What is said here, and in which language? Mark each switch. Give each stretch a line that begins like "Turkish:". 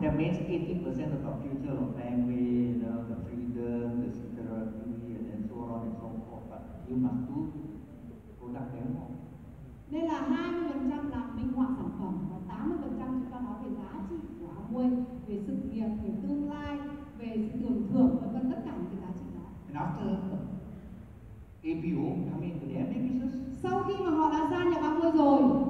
English: That means 80% of the future of Amway, the freedom, the security, and then so on and so forth. But you must do product demo.
Vietnamese: Nên là 20% là minh họa sản phẩm và 80% chúng ta nói về giá trị của Amway, về sự nghiệp, về tương lai, về sự tưởng thưởng và tất cả những cái giá trị đó.
English: And after APO coming to the Amway business,
Vietnamese: sau khi mà họ đã gia nhập Amway rồi,